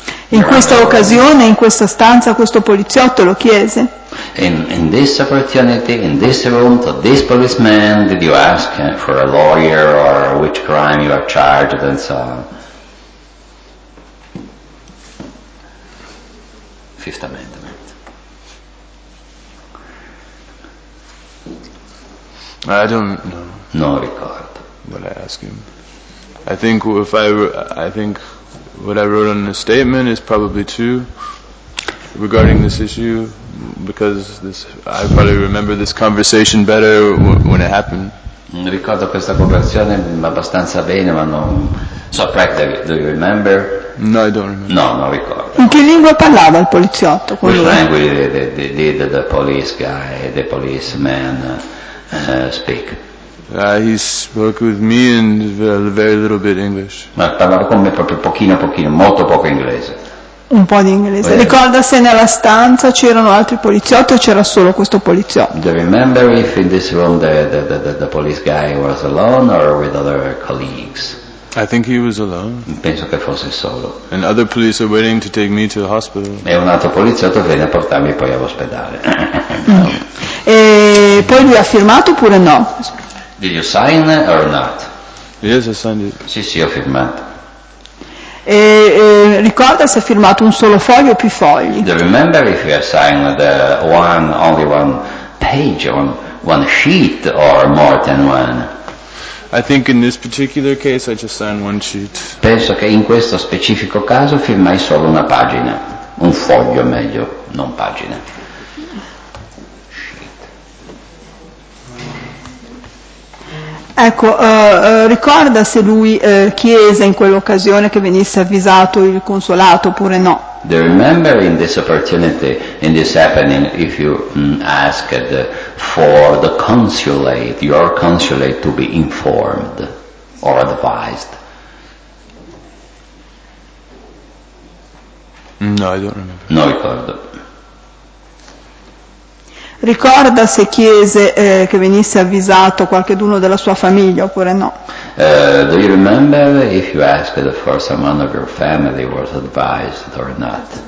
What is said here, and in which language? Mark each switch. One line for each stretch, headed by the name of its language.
Italian: In questa occasione, in questa stanza, questo poliziotto lo chiese.
English: In this opportunity, in this room, to this policeman, did you ask for a lawyer or which crime you are charged and so on? Fifth Amendment. I don't know.
Italian: No, ricordo.
English: What I asked him. I think what I wrote on the statement is probably true regarding this issue, because this I probably remember this conversation better when it happened.
Italian: Ricordo questa conversazione abbastanza bene, ma non so.
English: Do you remember? No, I don't remember.
Italian: No, non ricordo. In che lingua parlava il poliziotto?
English: Which language did the police guy, the policeman, speak? He spoke with me in very little bit English.
Italian: Ma parlava con me proprio pochino, molto poco inglese. Un po' di inglese. Ricorda se nella stanza c'erano altri poliziotti o c'era solo questo poliziotto?
English: Do you remember if in this room the police guy was alone or with other colleagues? I think he was alone.
Italian: Penso che fosse solo.
English: And other police are waiting to take me to the hospital.
Italian: E un altro poliziotto viene a portarmi poi all'ospedale. E poi lui ha firmato oppure no?
English: Did you sign or not? Yes, I signed it.
Italian: Sì, ho firmato. Ricorda se ha firmato un solo foglio o più fogli?
English: Do you remember if you signed only one page, one sheet, or more than one? I think in this particular case I just signed one sheet.
Italian: Penso che in questo specifico caso firmai solo una pagina, un foglio meglio, non pagina. Ecco, ricorda se lui chiese in quell'occasione che venisse avvisato il consolato oppure no?
English: Do you remember in this opportunity, in this happening, if you asked for the consulate, your consulate, to be informed or advised? No, I don't remember.
Italian: No, ricordo. Ricorda se chiese che venisse avvisato qualcheduno della sua famiglia oppure no?
English: Do you remember if you asked for someone of your family was advised or not?